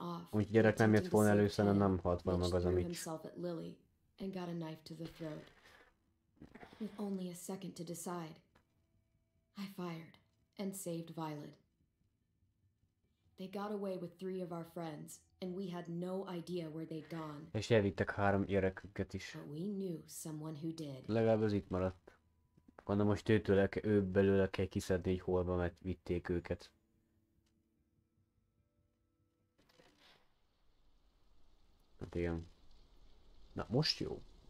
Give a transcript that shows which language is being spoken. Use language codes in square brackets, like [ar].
[hu] Úgy gyerek nem jött volna először, nem halt volna meg az a mics. [en] And got a knife to the throat. With only a second to decide, I fired and saved Violet. They got away with three of our friends. And we had no idea where they'd gone. [hu] És elvittek három gyereküket is. [en] But we knew someone who did. [hu] Legalább az itt maradt. Gondolom, most ő belőle kell kiszedni, hogy holba vitték őket. Hát igen. Na, most jó.